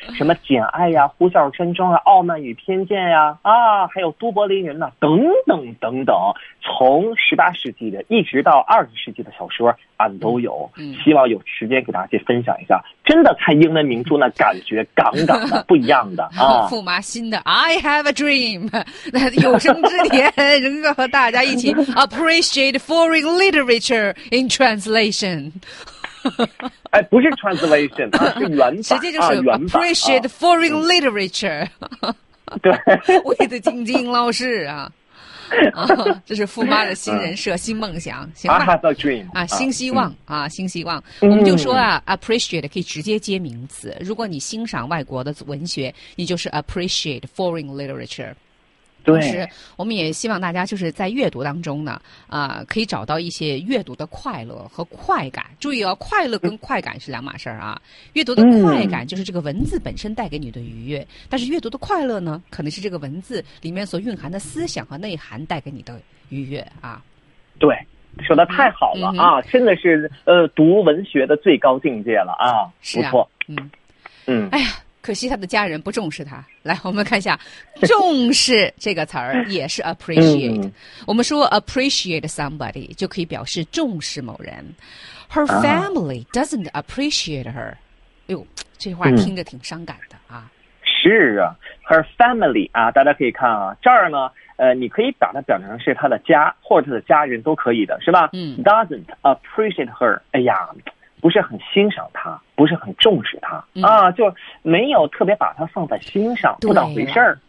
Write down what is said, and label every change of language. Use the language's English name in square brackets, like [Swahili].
[Chinese] 什么《简爱》呀，《呼啸山庄》啊，《傲慢与偏见》呀，啊，还有《都柏林人》呐，等等等等，从18世纪的一直到20世纪的小说，俺都有。希望有时间给大家去分享一下，真的看英文名著那感觉杠杠的，不一样的啊。驸马新的《I Have a Dream》，那有生之年仍要和大家一起 appreciate foreign literature in translation。哎，不是 translation， 它是原版，直接就是、原版 [English] appreciate foreign literature。 [Chinese] 对，为的晶晶老师啊，这是富妈的新人设、新梦想，行吧 [English] ？I have a dream [Chinese] 啊，新希望、啊，新希望。我们就说啊 ，appreciate 可以直接接名词。如果你欣赏外国的文学，你就是 appreciate foreign literature。对，是，我们也希望大家就是在阅读当中呢，可以找到一些阅读的快乐和快感。注意哦，快乐跟快感是两码事儿啊。阅读的快感就是这个文字本身带给你的愉悦，但是阅读的快乐呢，可能是这个文字里面所蕴含的思想和内涵带给你的愉悦啊。对，说的太好了啊，真的是读文学的最高境界了啊，是啊，不错，哎呀。可惜他的家人不重视他。来，我们看一下，重视这个词儿也是 appreciate。我们说 appreciate somebody 就可以表示重视某人。 [English] Her family doesn't appreciate her。 [Chinese] 哎呦，这话听着挺伤感的啊。是啊 ， her family 啊，大家可以看啊，这儿呢，你可以把它表成是他的家或者他的家人都可以的，是吧？ [English] Doesn't appreciate her。哎呀。 [Chinese] 不是很欣赏他，不是很重视他、啊，就没有特别把他放在心上，不当回事儿。